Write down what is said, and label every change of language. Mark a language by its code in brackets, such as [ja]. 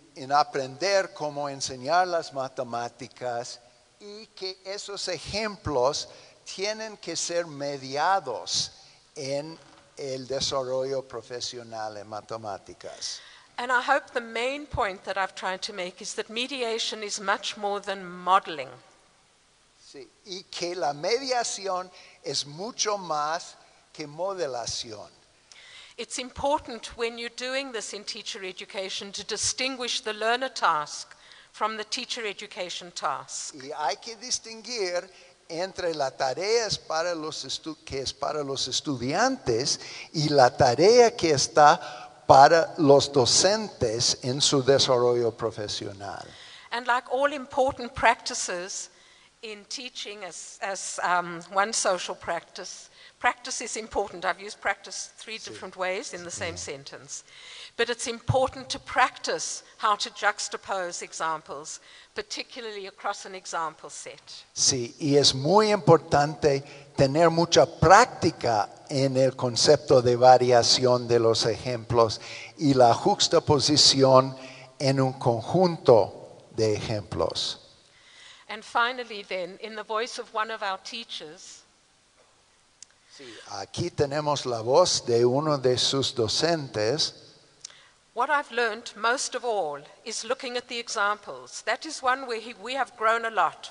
[es] aprender cómo enseñar las matemáticas y que esos ejemplos tienen que ser mediados en el desarrollo profesional en matemáticas. [en] And I hope the main point that I've tried to make is that mediation is much more than modeling. [es] Sí, y que la mediación es mucho más que modelación. [en] It's important when you're doing this in teacher education to distinguish the learner task from the teacher education task. [es] Y hay que distinguir entre la tarea que es para los estudiantes y la tarea que está para los docentes en su desarrollo profesional. [en] And like all important practices in teaching as one social practice, practice is important. I've used practice three different ways in the same sentence. But it's important to practice how to juxtapose examples, particularly across an example set. [es] Sí, y es muy importante tener mucha práctica en el concepto de variación de los ejemplos y la juxtaposición en un conjunto de ejemplos. [en] And finally then, in the voice of one of our teachers, [es] aquí tenemos la voz de uno de sus docentes. [en] What I've learned most of all is looking at the examples. That is one where we have grown a lot.